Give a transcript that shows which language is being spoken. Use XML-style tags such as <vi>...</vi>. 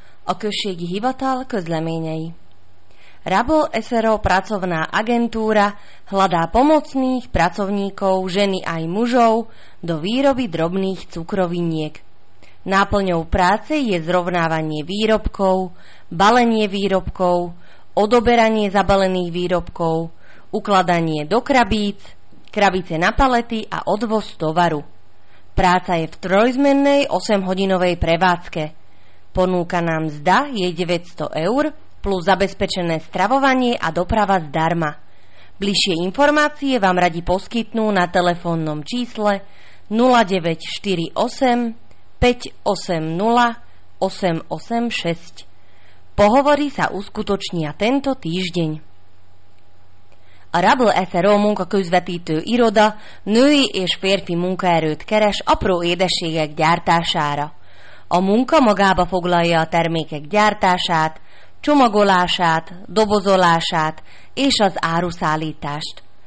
<hu>Okršiek Hivatal, Közleményei.</hu> <sk>Rabo SRO pracovná agentúra hľadá pomocných pracovníkov, ženy aj mužov, do výroby drobných cukroviniek. Náplňou práce je zrovnávanie výrobkov, balenie výrobkov, odoberanie zabalených výrobkov, ukladanie do krabíc, krabice na palety a odvoz tovaru. Práca je v trojzmennej 8-hodinovej prevádzke. Ponúka nám mzda je 900 eur plus zabezpečené stravovanie a doprava zdarma. Bližšie informácie vám radi poskytnú na telefónnom čísle 0948 580 886. Pohovory sa uskutočnia tento týždeň.</sk> <hu>Rabl SRO munkaközvetítő iroda női és férfi munkaerőt keres apró édességek gyártására. A munka magába foglalja a termékek gyártását, csomagolását, dobozolását és az áruszállítást.</hu>